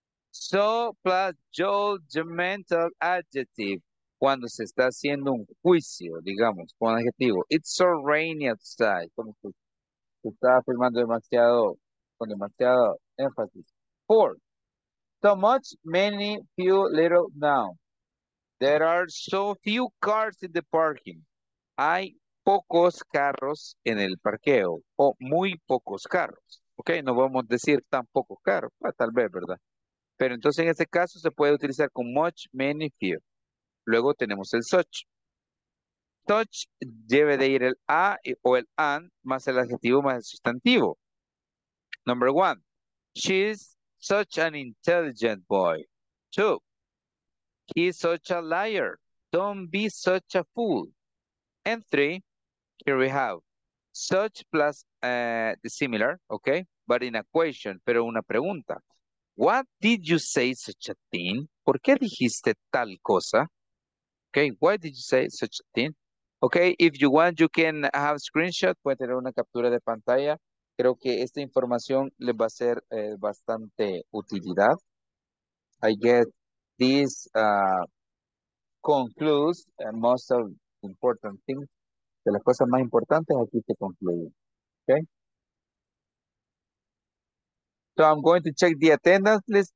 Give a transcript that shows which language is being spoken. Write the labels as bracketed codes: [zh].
[en] So plus judgmental adjective. [es] Cuando se está haciendo un juicio, digamos, con adjetivo. [en] It's so rainy outside. [es] Como que se está afirmando demasiado, con demasiado énfasis. [en] Four. So much, many, few, little, now. There are so few cars in the parking. [es] Hay pocos carros en el parqueo. O muy pocos carros. Ok, no vamos a decir tan poco caro, pues, tal vez, ¿verdad? Pero entonces en este caso se puede utilizar con much, many, few. Luego tenemos el such. Such debe de ir el a o el an más el adjetivo más el sustantivo. [en] Number one, she's such an intelligent boy. Two, he's such a liar. Don't be such a fool. And three, here we have. Such plus similar, okay, but in a question, [es] pero una pregunta. [en] What did you say such a thing? [es] ¿Por qué dijiste tal cosa? [en] Okay, why did you say such a thing? Okay, if you want, you can have screenshot. [es] Puede tener una captura de pantalla. Creo que esta información les va a ser bastante utilidad. [en] I get this concludes most of important things. [es] De las cosas más importantes aquí se concluye. [en] Okay. So I'm going to check the attendance list.